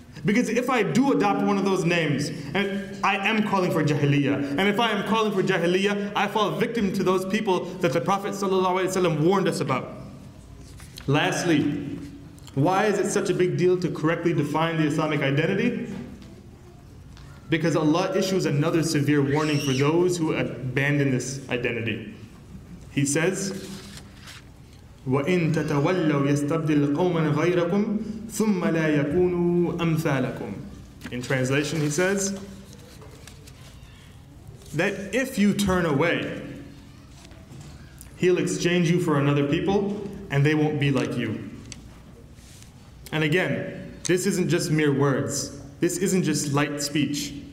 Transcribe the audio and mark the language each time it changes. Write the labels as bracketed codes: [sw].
[en] Because if I do adopt one of those names, and I am calling for Jahiliyyah, and if I am calling for Jahiliyyah, I fall victim to those people that the Prophet ﷺ warned us about. Lastly, why is it such a big deal to correctly define the Islamic identity? Because Allah issues another severe warning for those who abandon this identity. He says, [ar] وَإِن تَتَوَلَّوْا يَسْتَبْدِلْ قَوْمًا غَيْرَكُمْ ثُمَّ لَا يَكُونُوا أَمْثَالَكُمْ. [en] In translation, he says that if you turn away, He'll exchange you for another people and they won't be like you. And again, this isn't just mere words. This isn't just light speech.